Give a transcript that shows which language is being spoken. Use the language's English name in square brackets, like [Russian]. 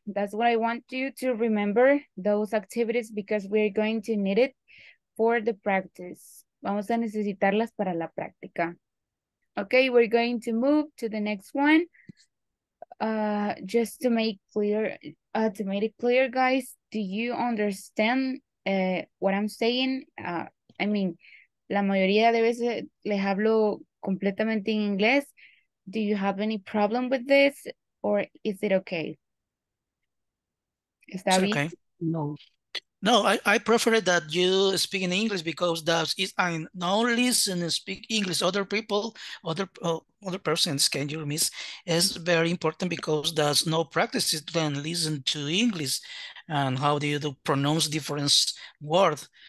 [English] That's what I want you to remember, those activities, because we're going to need it for the practice. [Spanish] Vamos a necesitarlas para la práctica. [English] Okay, we're going to move to the next one. Just to make clear, to make it clear, guys, do you understand what I'm saying? I mean, [Spanish] la mayoría de veces les hablo completamente en inglés. [English] Do you have any problem with this, or is it okay? Is that okay? No, I prefer that you speak in English, because that is, I now listen and speak English. Other people, other persons can you miss is very important, because there's no practice then listen to English, and how do you pronounce different words.